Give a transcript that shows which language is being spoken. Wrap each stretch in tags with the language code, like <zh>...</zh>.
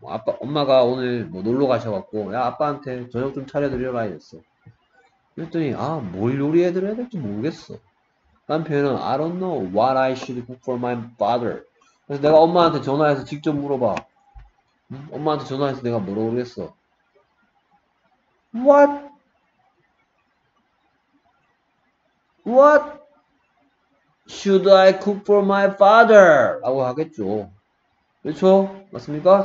<ko>아빠, 엄마가 오늘 뭐 놀러 가셔갖고 야 아빠한테 저녁 좀 차려드려라 이랬어. 그랬더니 아뭘 요리해드려야 될지 모르겠어. 남편은</ko> <en>I don't know what I should cook for my father.</en> <ko>그래서 내가 엄마한테 전화해서 직접 물어봐. 엄마한테 전화해서 내가 뭐라고 그랬어?</ko> <en>What? What should I cook for my father?</en> <ko>라고 하겠죠. 그렇죠? 맞습니까?</ko>